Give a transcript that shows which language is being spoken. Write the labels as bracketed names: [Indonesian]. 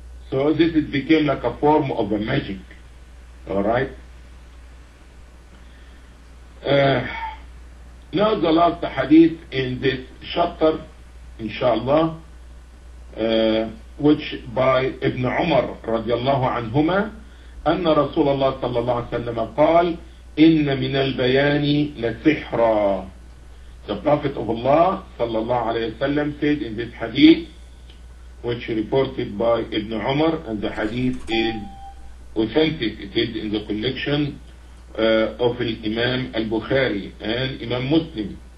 [English] So this is became like a form of a magic. Alright? Now the last hadith in this chapter, inshallah, which by Ibn Umar radiallahu anhuma, [Arabic] أن رسول الله صلى الله عليه وسلم قال إن من البيان لسحرا. [English] The Prophet of Allah صلى الله عليه وسلم said in this hadith which reported by Ibn Umar, and the hadith is authentic, it is in the collection of Imam al-Bukhari and Imam Muslim.